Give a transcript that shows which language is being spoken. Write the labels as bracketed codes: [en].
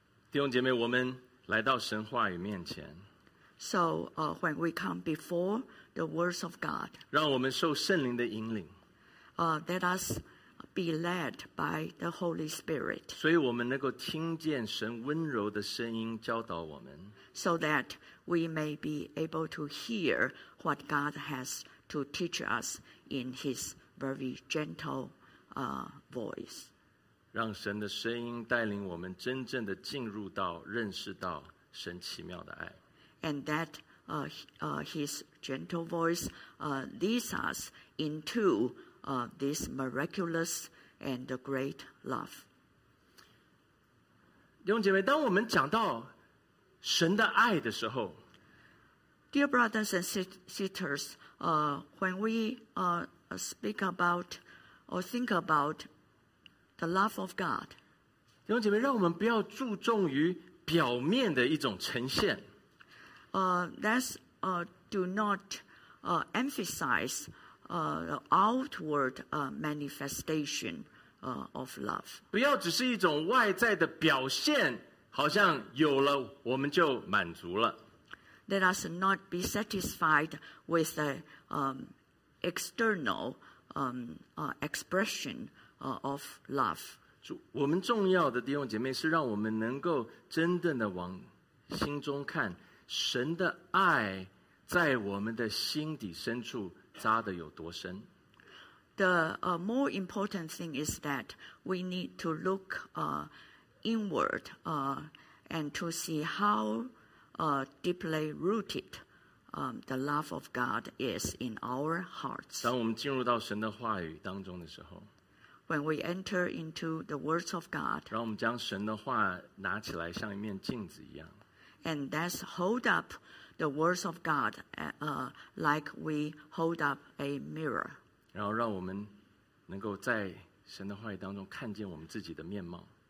[zh] 弟兄姐妹，我们来到神话语面前。 [en] So, when we come before the words of God, [zh] 让我们受圣灵的引领。 [en] Let us be led by the Holy Spirit. [zh] 所以我们能够听见神温柔的声音教导我们。 [en] So that we may be able to hear what God has to teach us in His very gentle, voice. [zh] 让神的声音带领我们真正的进入到认识到神奇妙的爱。 [en] And that his gentle voice leads us into this miraculous and great love. [zh] 弟兄姐妹，当我们讲到神的爱的时候， [en] Dear brothers and sisters, when we speak about or think about the love of God, [zh] 弟兄姐妹，让我们不要注重于表面的一种呈现。 [en] Let's do not emphasize the outward manifestation of love. [zh] 不要只是一种外在的表现，好像有了我们就满足了。 [en] Let us not be satisfied with the external expression of love. [zh] 我们重要的弟兄姐妹，是让我们能够真正的往心中看。神的爱在我们的心底深处扎得有多深。 [en] The more important thing is that we need to look inward and to see how deeply rooted the love of God is in our hearts. [zh] 当我们进入到神的话语当中的时候， [en] When we enter into the words of God, [zh] 让我们将神的话拿起来像一面镜子一样。 [en] And let's hold up the words of God like we hold up a mirror. [zh] 然后让我们能够在神的话语当中看见我们自己的面貌。